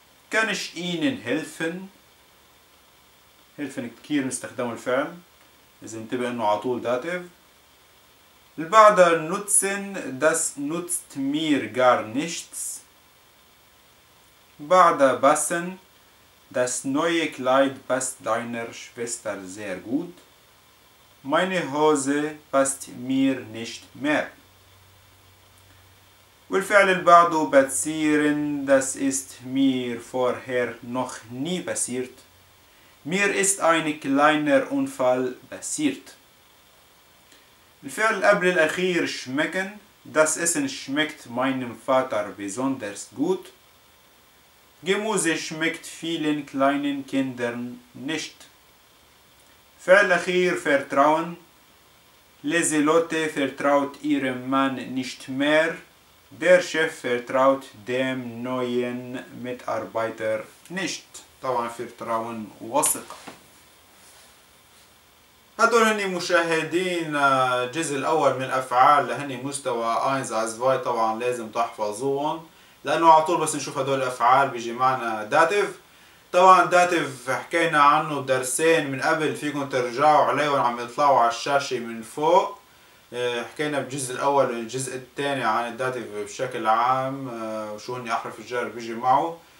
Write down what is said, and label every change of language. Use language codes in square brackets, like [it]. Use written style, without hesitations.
[de] Kann ich Ihnen helfen? helfen [ar] كثير نستخدم الفعل اذا انتبه انه على طول داتيف البعض [de] nutzen das nutzt mir gar nichts بعض passen das neue kleid passt deiner schwester sehr gut meine hose passt mir nicht mehr [ar] والفعل البعض [de] passieren das ist mir vorher noch nie passiert Mir ist ein kleiner Unfall passiert. [ar] الفعل قبل الأخير schmecken. [de] Das Essen schmeckt meinem Vater besonders gut. Gemüse schmeckt vielen kleinen Kindern nicht. [ar] فعل الأخير vertrauen. [de] Leselotte vertraut ihrem Mann nicht mehr. Der Chef vertraut dem neuen Mitarbeiter nicht. [ar] طبعا فرتراون وثق هدول هني مشاهدين الجزء الاول من الافعال لهني مستوى اينز از فاي طبعا لازم تحفظوهم لانه على طول بس نشوف هدول الافعال بيجي معنا داتيف طبعا داتيف حكينا عنه درسين من قبل فيكم ترجعوا عليه وعم يطلعوا على الشاشه من فوق حكينا بالجزء الاول والجزء الثاني عن الداتيف بشكل عام وشو هني احرف الجر بيجي معه